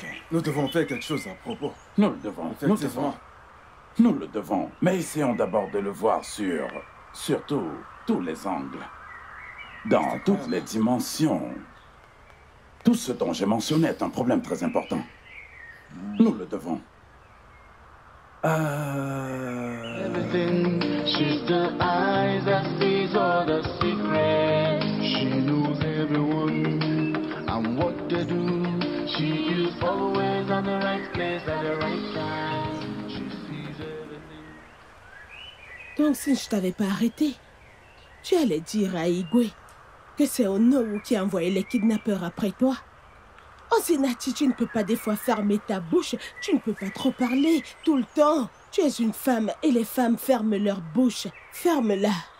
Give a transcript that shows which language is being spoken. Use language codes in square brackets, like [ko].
[fr] Nous devons faire quelque chose à propos. Nous le devons. Nous le devons. Mais essayons d'abord de le voir sur... surtout tous les angles. Dans toutes les dimensions. Tout ce dont j'ai mentionné est un problème très important. Nous le devons. [en] Everything, she's the eyes that sees all the secrets. She knows everyone and what they do. She is always at the right place at the right time. She sees everything. [fr] Donc si je t'avais pas arrêté, tu allais dire à Igwe que c'est Onowu qui a envoyé les kidnappeurs après toi. Ozinati, tu ne peux pas des fois fermer ta bouche. Tu ne peux pas trop parler tout le temps. Tu es une femme et les femmes ferment leur bouche. Ferme-la.